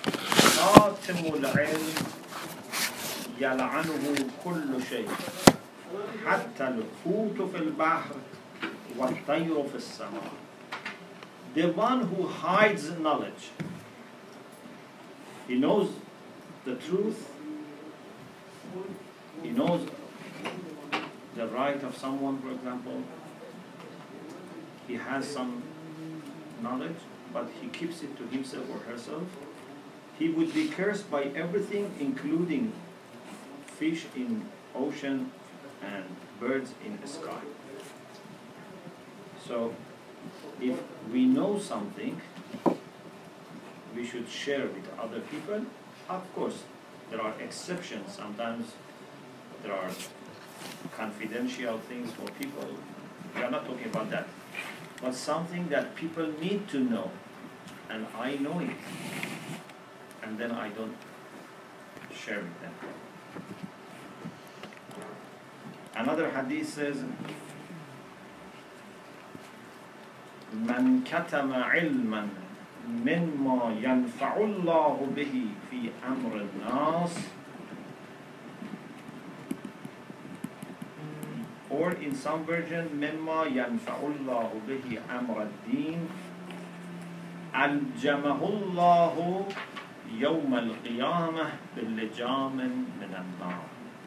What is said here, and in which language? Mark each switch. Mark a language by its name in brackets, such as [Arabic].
[Arabic] خاتم العلم يلعنه كل شيء حتى الحوت في البحر والطير في السماء. [English] The one who hides knowledge, he knows the truth, he knows the right of someone, for example, he has some knowledge, but he keeps it to himself or herself, he would be cursed by everything, including fish in ocean and birds in the sky. So, if we know something, we should share with other people. Of course, there are exceptions. Sometimes there are confidential things for people. We are not talking about that. But something that people need to know, and I know it, and then I don't share with them. Another hadith says, [Arabic] من كتم علما مما ينفع الله به في أمر الناس [English] or in some version [Arabic] مما ينفع الله به أمر الدين ألجمه الله يوم القيامة باللجام من النار.